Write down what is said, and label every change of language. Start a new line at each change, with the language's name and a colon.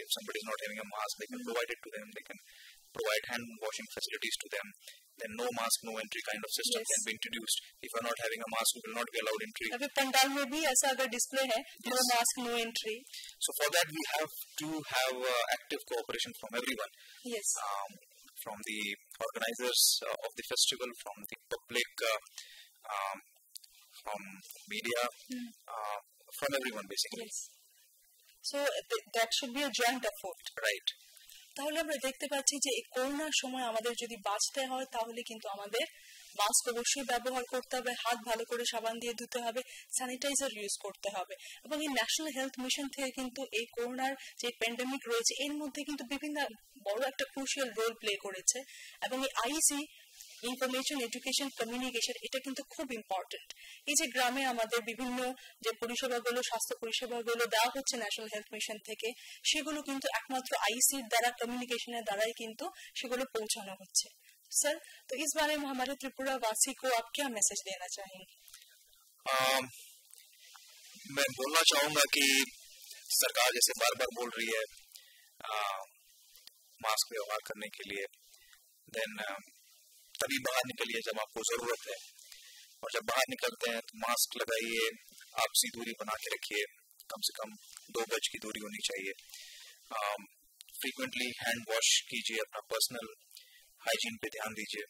English: If somebody is not having a mask, they can provide it to them, they can provide hand washing facilities to them, then no mask no entry kind of system can be introduced. If you are not having a mask, you will not be allowed entry.
Hindi: अभी पंडाल में भी ऐसा अगर display है,
English: No mask no entry, so for that we have to have active cooperation from everyone. Yes, from the organizers of the festival, from the public, from media, from everyone basically. Yes, so that should be a joint effort, right?
Bangla: তাহলে আমরা দেখতে পাচ্ছি যে করোনার সময় আমাদের যদি বাঁচতে হয় তাহলে কিন্তু আমাদের মাস্ক অবশ্যই ব্যবহার করতে হবে, হাত ভালো করে সাবান দিয়ে ধুতে হবে, স্যানিটাইজার ইউজ করতে হবে, এবং এই ন্যাশনাল হেলথ মিশন থেকে কিন্তু এই করোনার যে প্যান্ডেমিক রয়েছে এর মধ্যে কিন্তু বিভিন্ন বড় একটা ক্রুশিয়াল রোল প্লে করেছে, এবং এই আইসি ইনফরমেশন এডুকেশন কমিউনিকেশন এটা কিন্তু খুব ইম্পর্টেন্ট। এই যে গ্রামে আমাদের বিভিন্ন যে পরিষেবাগুলো, স্বাস্থ্য পরিষেবাগুলো দেওয়া হচ্ছে ন্যাশনাল হেলথ মিশন থেকে, সেগুলো কিন্তু একমাত্র আইসির দ্বারা, কমিউনিকেশনের দ্বারাই কিন্তু সেগুলো পৌঁছানো হচ্ছে।
Hindi: सर, तो इस बारे में हमारे त्रिपुरा वासी को आप क्या मैसेज देना चाहेंगे? मैं बोलना चाहूंगा कि सरकार जैसे बार बार बोल रही है मास्क व्यवहार करने के लिए, देन तभी बाहर निकलिए जब आपको जरूरत है, और जब बाहर निकलते हैं तो मास्क लगाइए, आपसी दूरी बना के रखिए, कम से कम 2 गज की दूरी होनी चाहिए, फ्रीक्वेंटली हैंड वॉश कीजिए, अपना पर्सनल हाइजीन पे ध्यान दीजिए।